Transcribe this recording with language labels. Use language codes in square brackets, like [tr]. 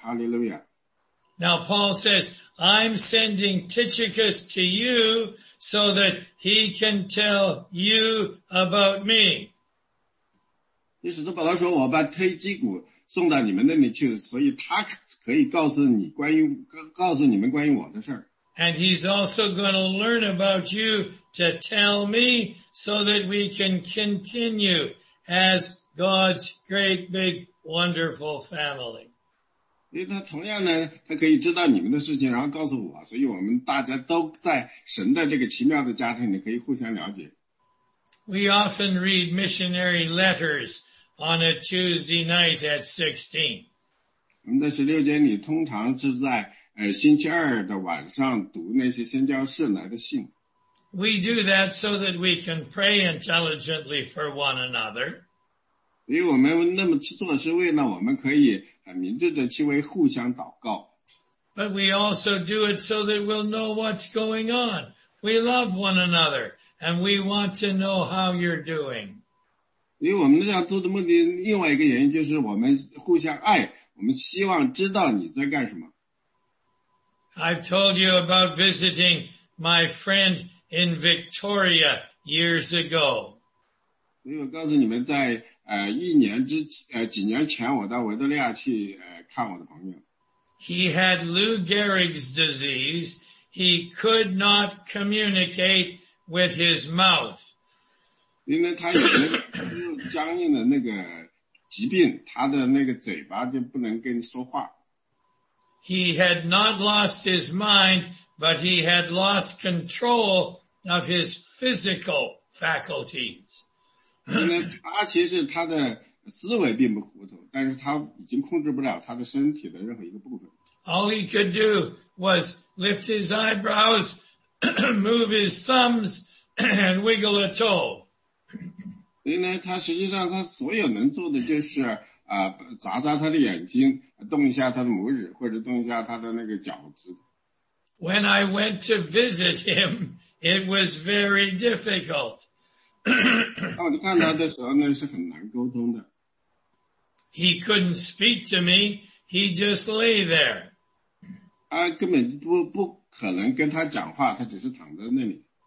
[en] Hallelujah. Now Paul says, I'm sending Tychicus to you so that he can tell you about me. [zh] 于是他本来说我把推基古送到你们那里去，所以他可以告诉你们关于我的事儿。 [en] And he's also going to learn about you to tell me so that we can continue as God's great, big, wonderful family. [zh] 因为他同样呢，他可以知道你们的事情，然后告诉我，所以我们大家都在神的这个奇妙的家庭里可以互相了解。 [en] We often read missionary letters on a Tuesday night at 16. [zh] 我们在16节里通常是在星期二的晚上读那些宣教士来的信。 [en] We do that so that we can pray intelligently for one another. [zh] 因为我们那么去做是为了我们可以很明智的去为互相祷告。 [en] But we also do it so that we'll know what's going on. We love one another, and we want to know how you're doing. [zh] 因为我们这样做的目的，另外一个原因就是我们互相爱，我们希望知道你在干什么。 [en] I've told you about visiting my friend in Victoria years ago. [zh] 所以我告诉你们在一年之几年前我到维多利亚去看我的朋友。 [en] He had Lou Gehrig's disease. He could not communicate with his mouth. [zh] 因为他有那个僵硬的那个疾病，他的那个嘴巴就不能跟你说话。 [en] He had not lost his mind, but he had lost control of his physical faculties. [zh] 他其实他的思维并不糊涂，但是他已经控制不了他的身体的任何一个部分。 [en] All he could do was lift his eyebrows, move his thumbs, and wiggle a toe. [zh] 所以呢，他实际上他所有能做的就是啊，眨眨他的眼睛，动一下他的拇指，或者动一下他的那个脚趾。 [en] When I went to visit him, it was very difficult. [zh] 当我看他的时候呢，是很难沟通的。 [en] He couldn't speak to me. He just lay there. [zh] 他根本不可能跟他讲话，他只是躺在那里。